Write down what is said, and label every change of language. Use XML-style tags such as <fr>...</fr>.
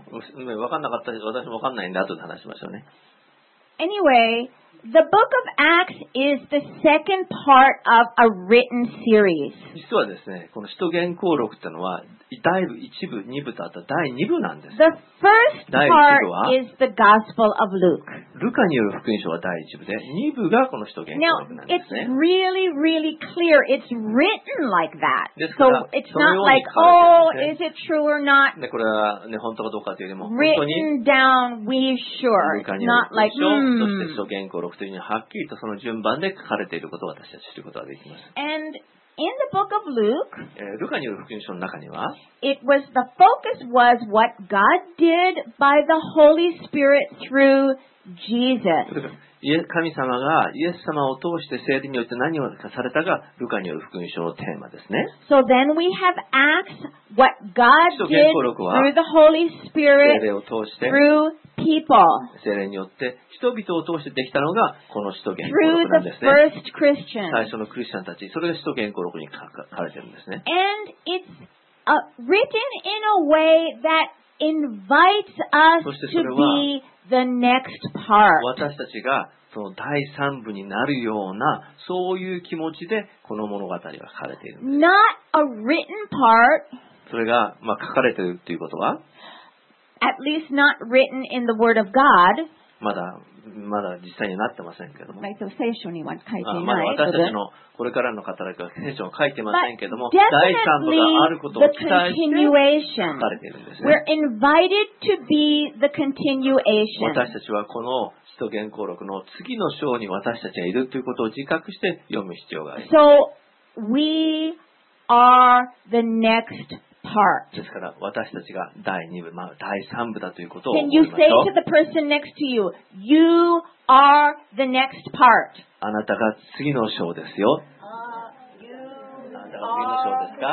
<ja>分かんなかったし、私も分かんないんで後で話しましょうね。</ja> <en>Anyway. The book of Acts is the second part of a written series.</en> <ja>実はですね、この使徒言行録ってのは、第一部、二部とあった第二部なんです。</ja> <en>The first part is the Gospel of Luke.</en> <ja>ルカによる福音書は第一部で、二部がこの使徒言行録なんですね。</ja> <en>Now, it's really, really clear. It's written like that. So it's not like, oh, is it true or not?</en> <ja>で、これはね、本当かどうかというよりも、</ja> <en>written down, we sure. Not like,</en> <ja>6というのははっきりとその順番で書かれていることを私たち知ることができます。</ja> <en>And in the book of Luke,</en> <ja>ルカによる福音書の中には、</ja> <en>It was the focus was what God did by the Holy Spirit through Jesus.</en> <ja>神様がイエス様を通して聖霊によって何をされたが、ルカによる福音書のテーマですね。</ja> <en>So then we have Acts, what God did through the Holy Spirit through</en> <ja>聖霊によって人々を通してできたのがこの使徒言行録なんですね。最初のクリスチャンたち、それが使徒言行録に書かれてるんですね。</ja> <en>And it's written in a way that invites us to be the next part.</en> <ja>私たちがその第三部になるようなそういう気持ちでこの物語は書かれているんです。</ja> <en>Not a written part.</en> <ja>それがまあ書かれているということは。</ja> <en>At least not written in the Word of God.</en> <ja>まだ実際になってませんけども。</ja> <en>Right, so</en> <ja>聖書には書いてない。まだ私たちのこれからの働きは聖書は書いてませんけども、第三部があることを期待して書かれているんですね。</ja> <en>We're invited to be the continuation.</en> <ja>私たちはこの使徒言行録の次の章に私たちがいるということを自覚して読む必要があります。</ja> <en>So we are the next.</en> <ja>ですから私たちが第2部、まあ、第3部だということを</ja> <en>Can you say to the person next to you, you are the next part?</en> <ja>あなたが次の章ですよ。あなたが次の章ですか？</ja>